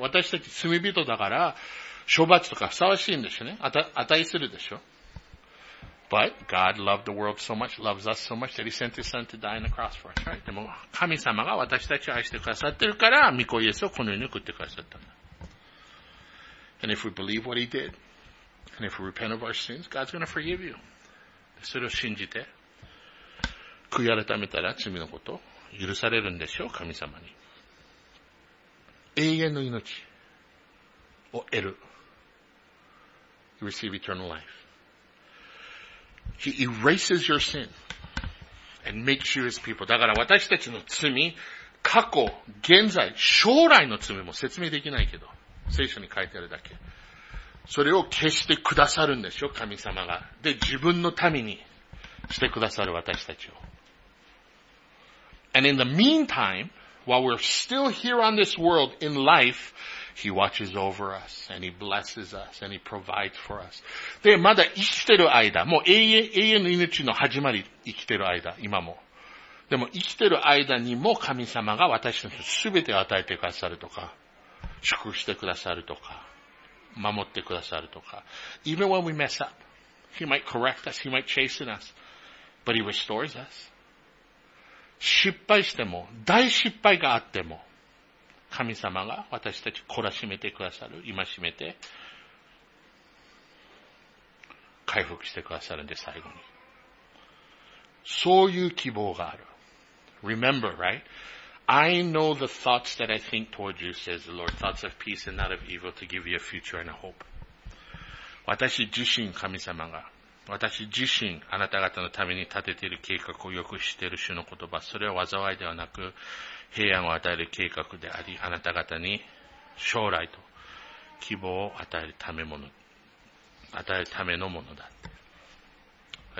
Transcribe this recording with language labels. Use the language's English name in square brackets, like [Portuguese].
[Japanese] 私たち罪人だから、処罰とかふさわしいんでしょうね。値するでしょう。 [English] But God loved the world so much, loves us so much that He sent His Son to die on the cross for us. [Japanese] でも神様が私たちを愛してくださってるから、御子イエスをこの世に送ってくださったんだ。 [English] And if we believe what He did, and if we repent of our sins, God's going to forgive you. [Japanese] それを信じて、悔い改めたら罪のこと許されるんでしょう、神様に。永遠の命を得る。 [English] You receive eternal life. He erases your sin and makes you his people. [Japanese] だから私たちの罪、過去、現在、将来の罪も説明できないけど、聖書に書いてあるだけ。それを消してくださるんでしょ、神様が。で、自分の民にしてくださる私たちを。 [English] And in the meantime, while we're still here on this world in life,He watches over us, and He blesses us, and He provides for us. [Japanese] で、まだ生きてる間、もう永遠の命の始まり、生きてる間、今も。でも生きてる間にも神様が私のすべてを与えてくださるとか、祝福してくださるとか、守ってくださるとか。 [English] Even when we mess up, He might correct us, He might chasten us, but He restores us. [Japanese] 失敗しても、大失敗があっても、神様が私たち懲らしめてくださる、今しめて、回復してくださるんで最後に。そういう希望がある。 [English] Remember, right? I know the thoughts that I think toward you, says the Lord. Thoughts of peace and not of evil to give you a future and a hope. [Japanese] 私自身、神様が、私自身、あなた方のために立てている計画をよく知っている主の言葉、それは災いではなく、平安を与える計画であり、あなた方に将来と希望を与えるためもの、与えるためのものだって。